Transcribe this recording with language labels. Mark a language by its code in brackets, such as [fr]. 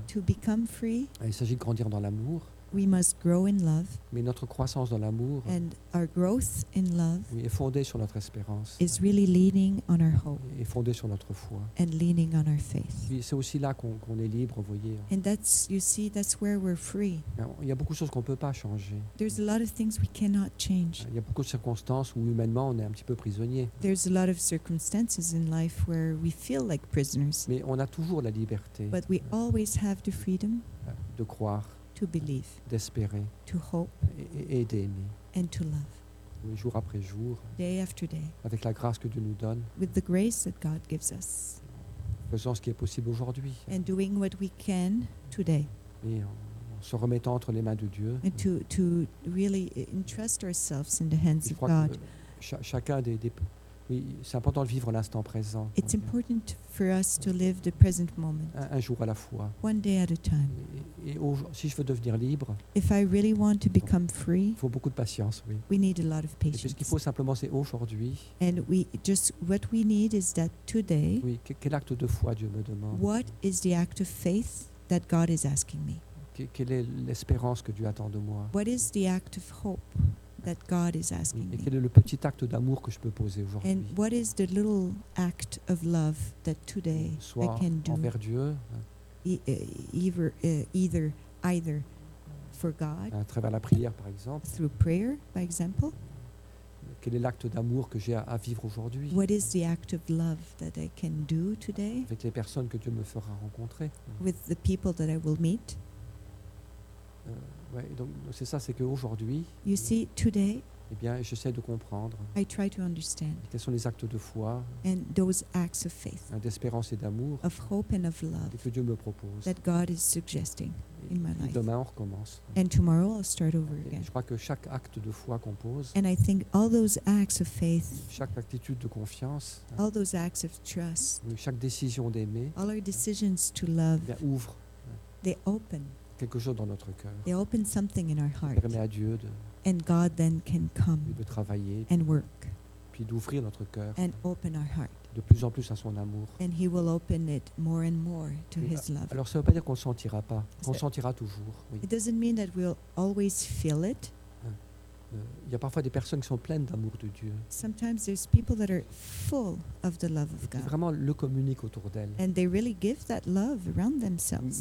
[en] to become free, [fr] il s'agit de grandir dans l'amour. [en] We must grow in love. [fr] Mais notre croissance dans l'amour, [en] and our growth in love, [fr] oui, est fondée sur notre espérance. [en] Is really leaning on our hope. [fr] Et fondée sur notre foi. [en] And leaning on our faith. [fr] Puis c'est aussi là qu'on est libre, voyez. [en] And that's, you see, that's where we're free. [fr] Il y a beaucoup de choses qu'on peut pas changer. [en] There's a lot of things we cannot change. [fr] Il y a beaucoup de circonstances où humainement on est un petit peu prisonnier. [en] There's a lot of circumstances in life where we feel like prisoners. [fr] Mais on a toujours la liberté. [en] But we always have the freedom. [fr] De croire. [en] To believe, [fr] d'espérer, [en] to hope, [fr] et d'aimer, [en] and to love, [fr] oui, jour après jour, [en] day after day, [fr] avec la grâce que Dieu nous donne, [en] with the grace that God gives us, [fr] faisant ce qui est possible aujourd'hui, [en] and doing what we can today, [fr] et en se remettant entre les mains de Dieu, [en] and to really entrust ourselves in the hands of God. [fr] Je crois que chacun des oui, c'est important de vivre l'instant présent. [en] It's important for us to live the present moment. [fr] Un jour à la fois. [en] One day at a time. [fr] Et si je veux devenir libre. [en] If I really want to become free. [fr] Il faut beaucoup de patience, oui. [en] We need a lot of patience. [fr] Et ce qu'il faut simplement, c'est aujourd'hui. [en] And what we need is that today. [fr] Oui, quel acte de foi Dieu me demande. [en] What is the act of faith that God is asking me? [fr] Quelle est l'espérance que Dieu attend de moi? [en] What is the act of hope that God is asking me? [fr] Et quel est le petit acte d'amour que je peux poser aujourd'hui? [en] And what is the little act of love that today I can do? [fr] Soit envers Dieu. [en] Either for God. [fr] À travers la prière, par exemple. [en] Through prayer, by example. [fr] Quel est l'acte d'amour que j'ai à vivre aujourd'hui? [en] What is the act of love that I can do today? [fr] Avec les personnes que Dieu me fera rencontrer. [en] With the people that I will meet. [fr] Ouais, donc c'est ça, c'est qu'aujourd'hui, [en] you see, today, [fr] eh bien, j'essaie de comprendre. [en] I try to understand. [fr] Quels sont les actes de foi? [en] And those acts of faith. [fr] D'espérance et d'amour. [en] Of hope and of love. [fr] Que Dieu me propose. [en] That God is suggesting in my life. [fr] Demain, on recommence. [en] And tomorrow, I'll start over again. [fr] Je crois que chaque acte de foi qu'on pose. [en] And I think all those acts of faith. [fr] Chaque attitude de confiance. [en] All those acts of trust. [fr] Chaque décision d'aimer. [en] All our decisions to love. [fr] Ouvre. [en] They open. [fr] quelque chose dans notre cœur. [en] It opens something in our heart. [fr] Permet à Dieu de. [en] And God then can come. [fr] De travailler. [en] And work. [fr] Puis d'ouvrir notre cœur. [en] And open our heart. [fr] De plus en plus à son amour. [en] And He will open it more and more to His love. [fr] Alors ça ne veut pas dire qu'on ne sentira pas. On sentira toujours. Oui. [en] It doesn't mean that we'll always feel it. [fr] Il y a parfois des personnes qui sont pleines d'amour de Dieu. [en] Sometimes there's people that are full of the love of God. [fr] Qui vraiment le communiquent autour d'elles. [en] And they really give that love around themselves.